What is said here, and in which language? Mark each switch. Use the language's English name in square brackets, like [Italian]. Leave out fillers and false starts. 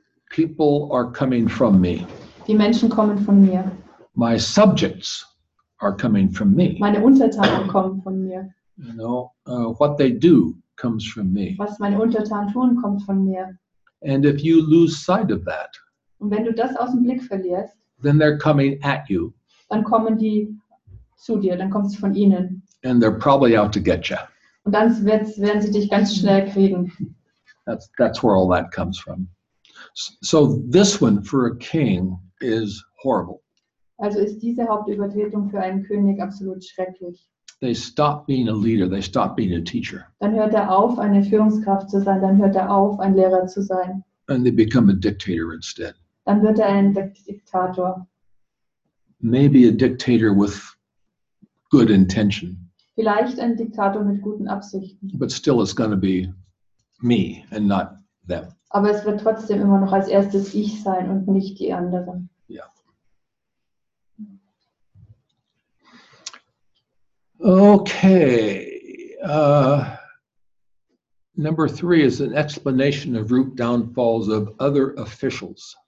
[English] People are coming from me. [German] Die Menschen kommen von mir. [English] My subjects are coming from me. [German] Meine Untertanen kommen von mir. [English] You know, what they do comes from me. [German] Was meine Untertanen tun, kommt von mir. [English] And if you lose sight of that, [German] und wenn du das aus dem Blick verlierst, [English] then they're coming at you. [German] Dann kommen die zu dir, dann kommst du von ihnen. [English] And they're probably out to get you. [German] Und dann werden sie dich ganz schnell kriegen. [English] That's where all that comes from. So this one for a king is horrible. [German] Also ist diese Hauptübertretung für einen König absolut schrecklich. [English] They stop being a leader, they stop being a teacher. [German] Dann hört er auf, eine Führungskraft zu sein, dann hört er auf, ein Lehrer zu sein. [English] And they become a dictator instead. [German] Dann wird er ein Diktator. [English] Maybe a dictator with good intention. [German] Vielleicht ein Diktator mit guten Absichten. [English] But still it's going to be me and not them. [German] Aber es wird trotzdem immer noch als erstes ich sein und nicht die anderen. [English] Okay, number three is an explanation of root downfalls of other officials.